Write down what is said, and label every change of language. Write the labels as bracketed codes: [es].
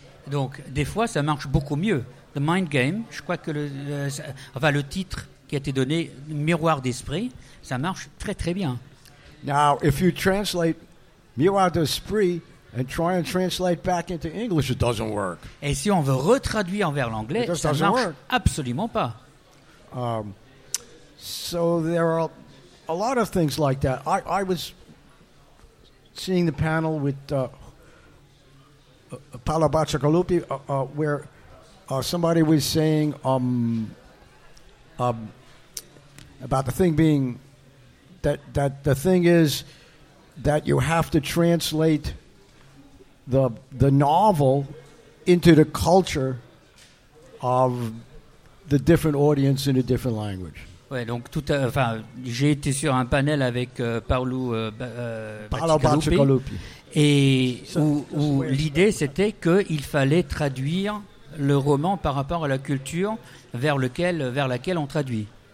[fr] Donc, des fois, ça marche beaucoup mieux. The Mind Game, je crois que le titre qui a été donné, Miroir d'Esprit, ça marche très, très bien. [en] Now, if you translate Miroir de l'Esprit and try and translate back into English, it doesn't work. [fr] Et si on veut retraduire vers l'anglais, ça ne marche absolument pas. [en] So there are a lot of things like that. I was seeing the panel with Paolo Bacigalupi, where somebody was saying about the thing being that the thing is that you have to translate the novel into the culture of the different audience in a different language. [fr] Ouais, donc j'ai été sur un panel avec Paolo Bacigalupi, et où l'idée c'était qu'il fallait traduire le roman par rapport à la culture vers laquelle on traduit.